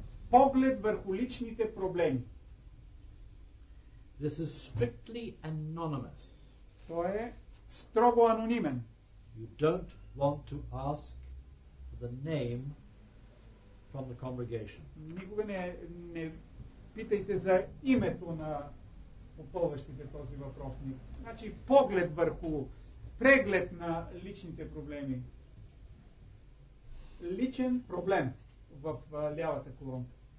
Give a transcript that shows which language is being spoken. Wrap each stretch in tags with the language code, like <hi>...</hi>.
<bg>Поглед върху личните проблеми.</bg> <en>This is strictly anonymous.</en> <bg>Той е строго анонимен.</bg> <en>You don't want to ask the name from the congregation.</en> <bg>Никога не питайте за името на попълващите този въпросник. Значи поглед върху, преглед на личните проблеми. Личен проблем в лявата колонка.</bg>